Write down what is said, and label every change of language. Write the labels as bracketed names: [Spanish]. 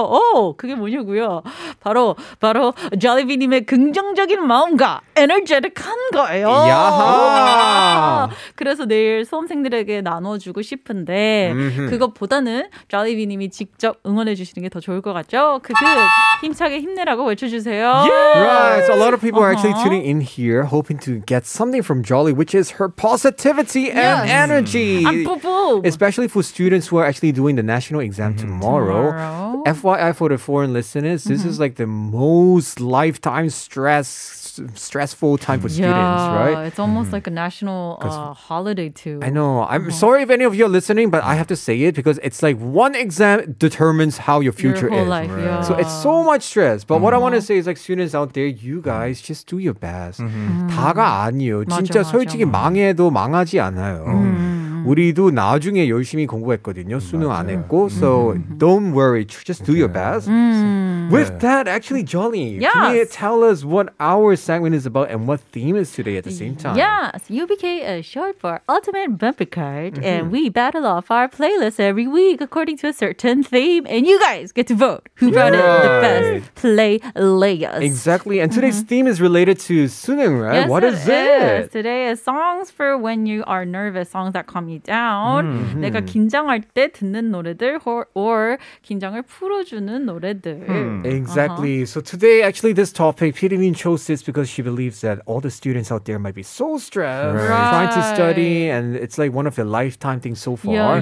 [Korean] 오, 그게 뭐냐고요? 바로 Jolly V 님의 긍정적인 마음과 에너제틱한 거예요. 야하. 그래서 내일 수험생들에게 나눠주고 싶은데 그것보다는 Jolly V 님이 직접 응원해 주시는 게 더 좋을 것 같죠? 힘차게 힘내라고 외쳐주세요. [English] Right, so a lot of people are actually tuning in here, hoping to get something from Jolly, which is her positivity and energy. Especially for students who are actually doing the national exam tomorrow. FYI for the foreign listeners, this is like the most lifetime stressful time for students, right? It's almost like a national holiday too. I know. I'm sorry if any of you are listening, but I have to say it because it's like one exam determines how your future your whole is. Life, right. Yeah. So it's so much stress. But what I want to say is like students out there, you guys just do your best. [Korean] 다가 아니요. 진짜 솔직히 망해도 망하지 않아요. 우리도 나중에 열심히 공부했거든요. 수능 안 했고. [English] So don't worry. Just do your best. With that, actually, Jolly, can you tell us what our segment is about and what theme is today at the same time? Yes, UBK is short for Ultimate Bumper Card, and we battle off our playlist every week according to a certain theme, and you guys get to vote who brought in the best playlist. Exactly, and today's theme is related to 수능, right? Yes, what is it? Today is songs for when you are nervous, songs that calm you me down. Mm-hmm. [Korean] 내가 긴장할 때 듣는 노래들 or 긴장을 풀어주는 노래들. [English] Exactly. Uh-huh. So today, actually, this topic, Pirimin chose this because she believes that all the students out there might be so stressed trying to study, and it's like one of the lifetime things so far.